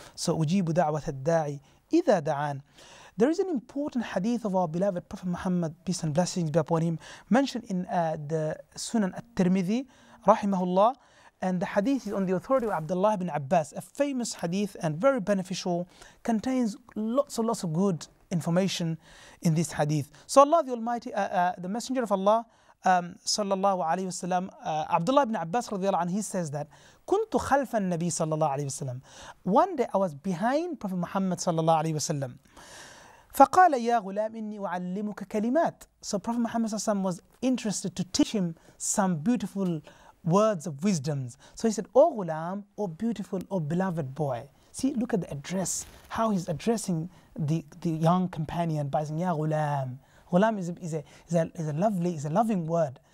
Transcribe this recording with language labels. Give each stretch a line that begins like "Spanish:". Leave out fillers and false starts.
English: So
Arabic: ujibu da'wat al-da'i idha da'an.
English: There is an important hadith of our beloved Prophet Muhammad, peace and blessings be upon him, mentioned in the Sunan al-Tirmidhi rahimahullah, and the hadith is on the authority of Abdullah ibn Abbas, a famous hadith and very beneficial, contains lots and lots of good information in this hadith. So Allah the Almighty, the Messenger of Allah sallallahu alayhi wa sallam, Abdullah ibn Abbas radiallahu anhu, he says that
Arabic: كنت خلف النبي صلى الله عليه وسلم.
English: One day I was behind Prophet Muhammad صلى الله عليه وسلم.
Arabic: فقال يا غلام إني أعلمك كلمات.
English: So Prophet Muhammad صلى الله عليه وسلم was interested to teach him some beautiful words of wisdom. So he said, O غلام, O beautiful, O beloved boy. See, look at the address, how he's addressing the young companion by saying, Ya Ghulam. Ghulam is a loving word.